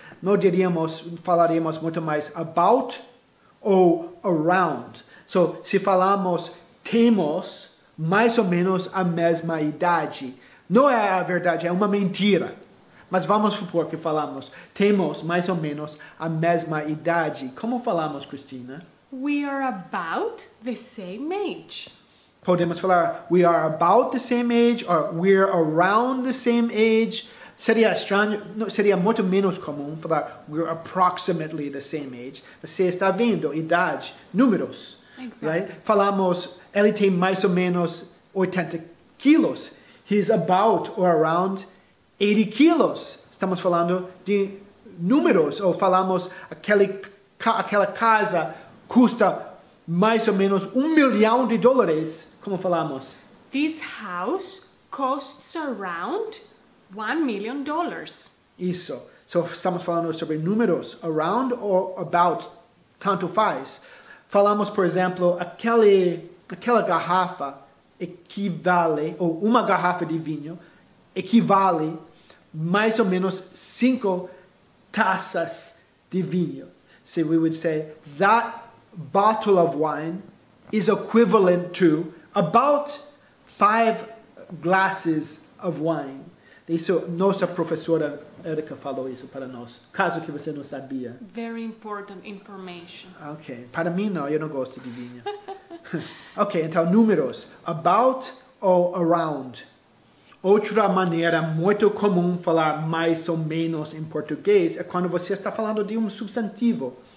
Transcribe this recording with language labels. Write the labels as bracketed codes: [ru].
[pt] Não diríamos, falaríamos muito mais about ou around. So, se falamos, temos mais ou menos a mesma idade. Não é a verdade, é uma mentira. Mas vamos supor que falamos, temos mais ou menos a mesma idade. Como falamos, Cristina? [en] We are about the same age. [pt] Podemos falar, [en] we are about the same age, or we're around the same age. [pt] Seria estranho, seria muito menos comum falar, [en] we're approximately the same age. [pt] Você está vendo, idade, números. [en] Exactly. Right? [pt] Falamos, ele tem mais ou menos 80 quilos. [en] He's about or around 80 quilos. [pt] Estamos falando de números. Ou falamos, aquela casa custa mais ou menos $1 million. Como falamos? [en] This house costs around $1 million. [pt] Isso. So, estamos falando sobre números, around or about, tanto faz. Falamos, por exemplo, aquela garrafa equivale, ou uma garrafa de vinho, equivale mais ou menos 5 taças de vinho. [en] So we would say, that bottle of wine is equivalent to about 5 glasses of wine. [pt] Isso, nossa professora Erika falou isso para nós, caso que você não sabia. [en] Very important information. [pt] Ok, para mim não, eu não gosto de vinho. Ok, então números, about ou around. Outra maneira muito comum falar mais ou menos em português é quando você está falando de substantivo.